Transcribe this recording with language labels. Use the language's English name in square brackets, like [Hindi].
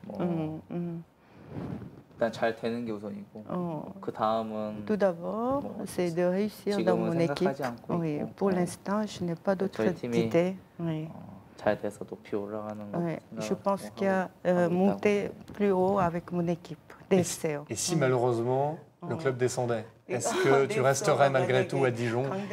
[Korean] 일단 잘 되는 게 우선이고 그 다음은 [French] tout d'abord c'est de réussir dans mon équipe. Oui, pour l'instant je n'ai pas d'autres idées. [Korean] 잘 돼서 높이 올라가는 거. [French] Je pense qu'il y a monter plus haut avec mon équipe DFCO. Et si malheureusement le club descendait, est-ce que tu resterais malgré tout à Dijon?